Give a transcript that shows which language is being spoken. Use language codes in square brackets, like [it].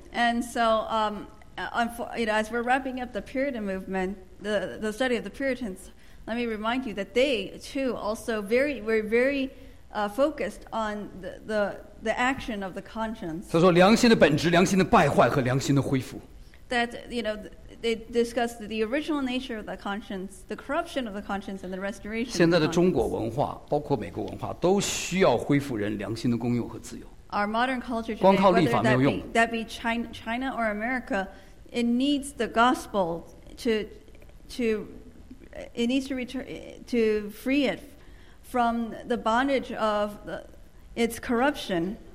[en] And so, you know, as we're wrapping up the Puritan movement, the study of the Puritans, let me remind you that they too also were very focused on the action of the conscience. [zh] 他说良心的本质，良心的败坏和良心的恢复。 [en] That, you know, they discussed the original nature of the conscience, the corruption of the conscience, and the restoration. [zh] 现在的中国文化，包括美国文化，都需要恢复人良心的公用和自由。 [en] Our modern culture today, whether that be China or America, it needs the gospel to free it from the bondage of its corruption.